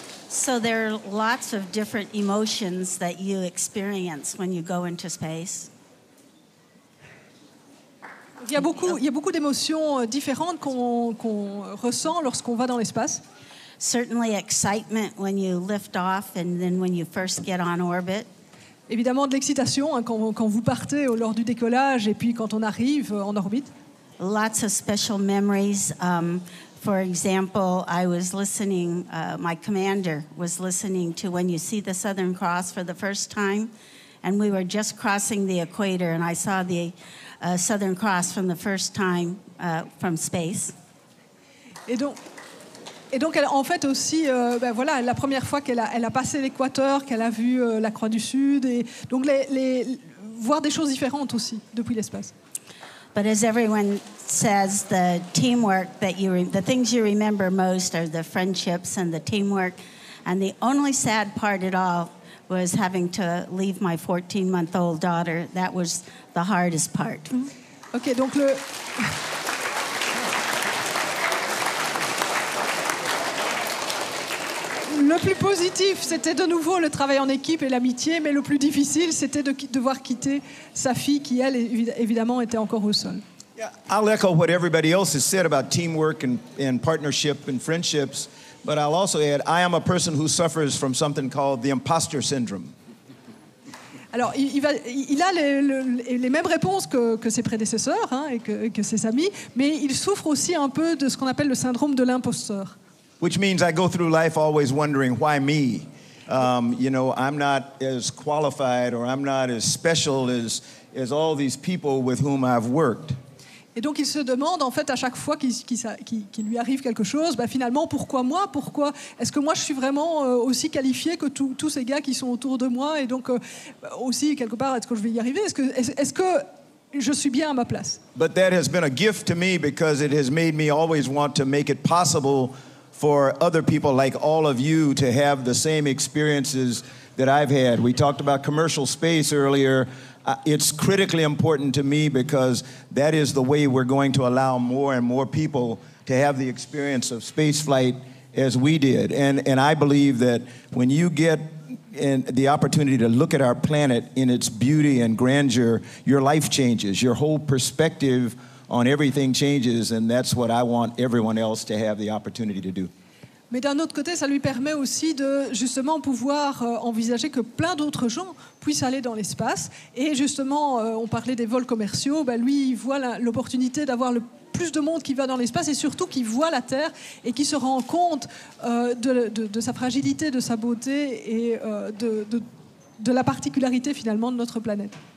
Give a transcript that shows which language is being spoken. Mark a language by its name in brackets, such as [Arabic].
[English] So there are lots of different emotions that you experience when you go into space. [French] Il y a beaucoup d'émotions différentes qu'on ressent lorsqu'on va dans l'espace. [English] Certainly excitement when you lift off and then when you first get on orbit. [French] Évidemment de l'excitation hein, quand vous partez lors du décollage et puis quand on arrive en orbite. [English] Lots of special memories. For example, I was listening, my commander was listening to when you see the Southern Cross for the first time, and we were just crossing the equator, and I saw the Southern Cross from the first time from space. [French] Et donc elle, en fait aussi, ben voilà, la première fois qu'elle a passé l'équateur, qu'elle a vu la Croix du Sud, et donc les voir des choses différentes aussi depuis l'espace. [English] But as everyone says, the teamwork that you the things you remember most are the friendships and the teamwork. And the only sad part at all was having to leave my 14-month-old daughter. That was the hardest part. [French] Mm-hmm. Okay, donc le. Le plus positif, c'était de nouveau le travail en équipe et l'amitié, mais le plus difficile, c'était de devoir quitter sa fille qui, elle, évidemment, était encore au sol. [English] Yeah, I'll echo what everybody else has said about teamwork and partnership and friendships, but I'll also add, I am a person who suffers from something called the imposter syndrome. [French] Alors, il a les mêmes réponses que ses prédécesseurs hein, et que ses amis, mais il souffre aussi un peu de ce qu'on appelle le syndrome de l'imposteur. [English] Which means I go through life always wondering, why me? You know, I'm not as qualified or I'm not as special as all these people with whom I've worked. [French] Et donc il se demande, en fait, à chaque fois qu'il lui arrive quelque chose, ben finalement, pourquoi moi? Pourquoi? Est-ce que moi, je suis vraiment aussi qualifié que tous ces gars qui sont autour de moi? Et donc, aussi, quelque part, est-ce que je vais y arriver? Est-ce que je suis bien à ma place? [English] But that has been a gift to me because it has made me always want to make it possible for other people like all of you to have the same experiences that I've had. We talked about commercial space earlier. It's critically important to me because that is the way we're going to allow more and more people to have the experience of space flight as we did. And I believe that when you get the opportunity to look at our planet in its beauty and grandeur, your life changes, your whole perspective on everything changes, and that's what I want everyone else to have the opportunity to do. [French] Mais d'un autre côté, ça lui permet aussi de justement pouvoir envisager que plein d'autres gens puissent aller dans l'espace. Et justement, on parlait des vols commerciaux. Ben lui, il voit l'opportunité d'avoir le plus de monde qui va dans l'espace et surtout qui voit la Terre et qui se rend compte de sa fragilité, de sa beauté et de la particularité finalement de notre planète.